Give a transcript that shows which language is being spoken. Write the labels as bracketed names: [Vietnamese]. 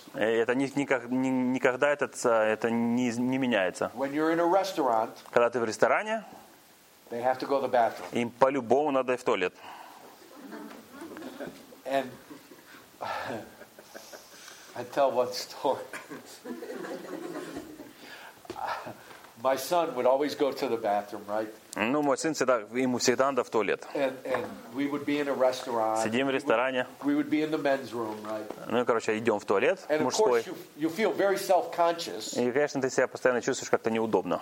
[Russian] И это никогда это не меняется. [English] When you're in a restaurant, [Russian] когда ты в ресторане, [English] they have to go to the bathroom. [Russian] Им по-любому надо в туалет. [English] And I tell one story. My son would always go to the bathroom, right? [Russian] Ну, мой сын всегда, ему всегда надо в туалет. [English] And we would be in a restaurant. [Russian] Сидим в ресторане. [English] We would be in the men's room, right? [Russian] Ну, короче, идем в туалет [English] and [Russian] мужской. [English] Of course you feel very self-conscious. [Russian] И, конечно, ты себя постоянно чувствуешь как-то неудобно.